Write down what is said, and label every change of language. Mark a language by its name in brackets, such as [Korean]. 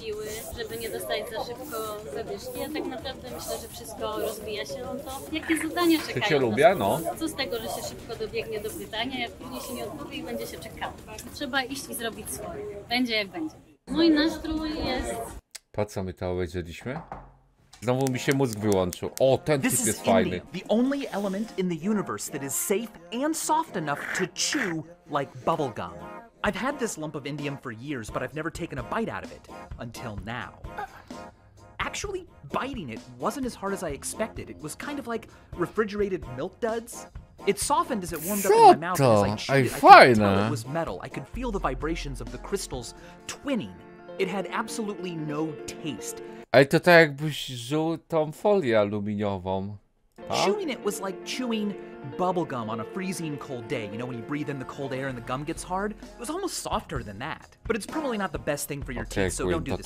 [Polish] Siły, żeby nie dostać za szybko zawieszki. Ja tak naprawdę myślę, że wszystko rozbija się o to. Jakie zadania czekają? Czy cię lubię? No. Co z tego, że się szybko dobiegnie do pytania, jak później się nie odpowie i będzie się czekało? Trzeba iść i zrobić swoje. Będzie jak będzie. Mój nastrój jest... Po co my to obejrzeliśmy? Znowu mi się mózg wyłączył. O, ten typ jest fajny. [English] The only element in the universe that is safe and soft enough to chew like bubblegum. I've had this lump of indium for years, but I've never taken a bite out of it until now. Actually, biting it wasn't as hard as I expected. It was kind of like refrigerated milk duds. It softened as it warmed up in my mouth as I chewed it. I could tell it was metal. I could feel the vibrations of the crystals twinning. It had absolutely no taste. [Polish] Ale to tak jakbyś żuł tą folię aluminiową. [English] Chewing it was like chewing bubblegum on a freezing cold day. You know when you breathe in the cold air and the gum gets hard? It was almost softer than that. But it's probably not the best thing for your teeth, so don't do this.